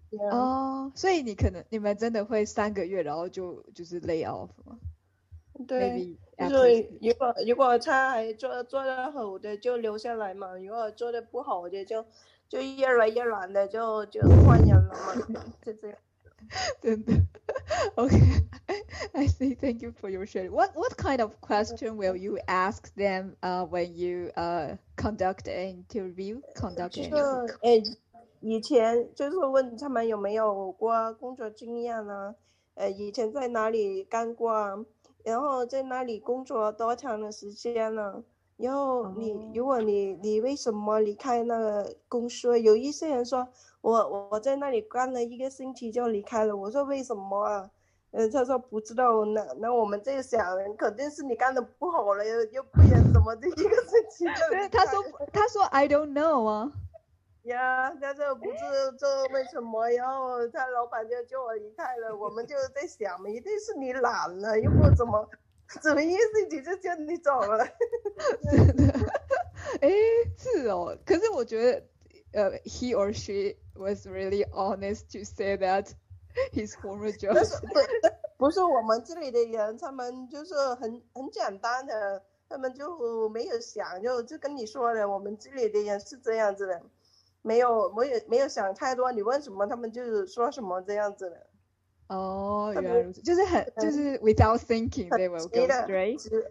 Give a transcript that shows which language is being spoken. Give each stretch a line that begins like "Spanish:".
Chinese: 哦，所以你们真的会3个月，然后就是 layoff 吗？对，如果他还做得好的就留下来嘛，如果做得不好的就越来越懒的就换人了嘛，就这样。
English: Then, okay, I see. Thank you for your sharing. What kind of question will you ask them when you conduct an interview? Conduct an
Chinese: interview. 以前就是问他们有没有过工作经验啊？以前在哪里干过啊？然后在哪里工作多长的时间呢？然后你如果你为什么离开那个公司？有一些人说我在那里干了一个星期就离开了。我说为什么啊？他说不知道。那我们这想肯定是你干的不好了，又不然怎么这一个星期就离开了？对，他说
English: I don't know
Chinese: 啊。呀，他说不知道为什么，然后他老板就叫我离开了。我们就在想嘛，一定是你懒了，又不怎么。怎么一星期就叫你走了？真的？哎，是哦。可是我觉得，
English: he or she was really honest to say that his former job.
Chinese: 不是我们这里的人，他们就是很简单的，他们就没有想，就跟你说了，我们这里的人是这样子的，没有想太多，你问什么，他们就说什么这样子的。就是
English: without thinking they will go straight.